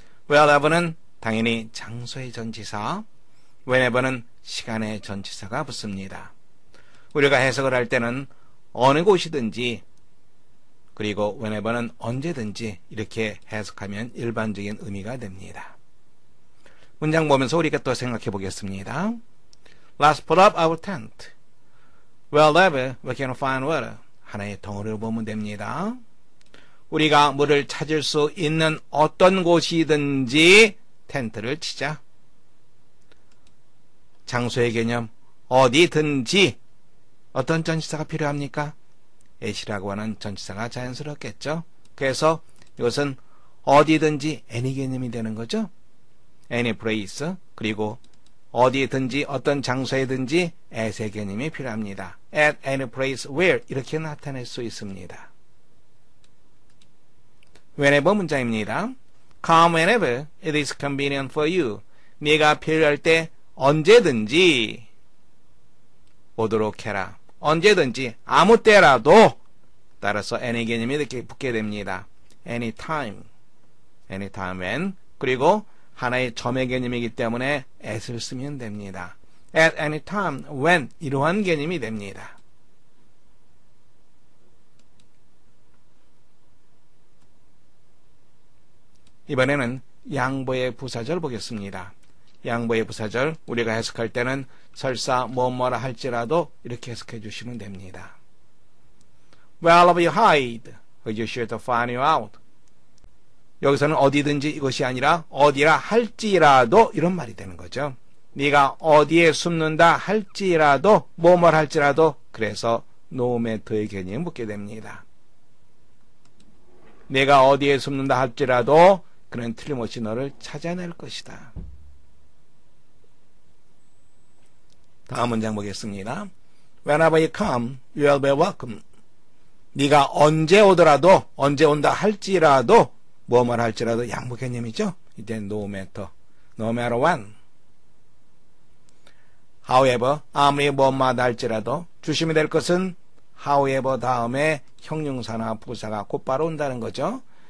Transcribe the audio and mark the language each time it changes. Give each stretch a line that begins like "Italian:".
Korean: wherever는 당연히 장소의 전치사, whenever는 시간의 전치사가 붙습니다. 우리가 해석을 할 때는 어느 곳이든지, 그리고 whenever는 언제든지 이렇게 해석하면 일반적인 의미가 됩니다. 문장 보면서 우리가 또 생각해 보겠습니다.
English: Let's put up our tent. Wherever we can find water.
Korean: 하나의 덩어리로 보면 됩니다. 우리가 물을 찾을 수 있는 어떤 곳이든지 텐트를 치자. 장소의 개념, 어디든지 어떤 전치사가 필요합니까? at라고 하는 전치사가 자연스럽겠죠. 그래서 이것은 어디든지 any 개념이 되는 거죠. any place, 그리고 어디든지 어떤 장소에든지 at의 개념이 필요합니다.
English: at any place where
Korean: 이렇게 나타낼 수 있습니다. whenever 문장입니다.
English: come whenever it is convenient for you.
Korean: 네가 필요할 때 언제든지 오도록 해라. 언제든지 아무 때라도, 따라서 any 개념이 이렇게 붙게 됩니다. anytime, anytime when, 그리고 하나의 점의 개념이기 때문에 at을 쓰면 됩니다.
English: at any time, when,
Korean: 이러한 개념이 됩니다. 이번에는 양보의 부사절 보겠습니다. 양보의 부사절, 우리가 해석할 때는 설사 뭐뭐라 할지라도 이렇게 해석해 주시면 됩니다.
English: Wherever you hide, you should find you out.
Korean: 여기서는 어디든지 이것이 아니라 어디라 할지라도 이런 말이 되는 거죠. 네가 어디에 숨는다 할지라도, 뭐뭐라 할지라도, 그래서 no matter의 개념이 붙게 됩니다. 네가 어디에 숨는다 할지라도 그는 틀림없이 너를 찾아낼 것이다. 다음 문장 보겠습니다.
English: Whenever you come, you will be welcome.
Korean: 네가 언제 오더라도, 언제 온다 할지라도, 무엇을 할지라도 양보 개념이죠. 이때
English: no matter, no matter when.
Korean: However, 아무리 무엇마다 할지라도, 주심이 될 것은 however 다음에 형용사나 부사가 곧바로 온다는 거죠.